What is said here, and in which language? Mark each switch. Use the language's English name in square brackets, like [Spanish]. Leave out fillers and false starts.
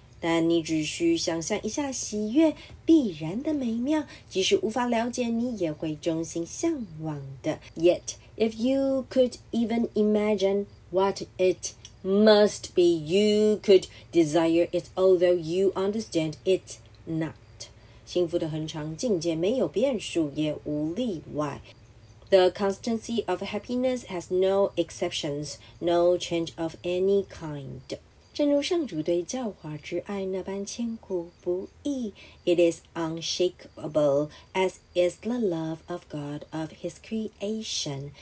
[Chinese] 但你只需想象一下喜悦必然的美妙，即使无法了解，你也会衷心向往的。 [English] Yet, if you could even imagine what it must be, you could desire it, although you understand it not. [Chinese] 幸福的恒常境界没有变数，也无例外。 [English] The constancy of happiness has no exceptions, no change of any kind. [Chinese] 正如上主对教化之爱那般千古不易 [English] It is unshakable, as is the love of God of his creation.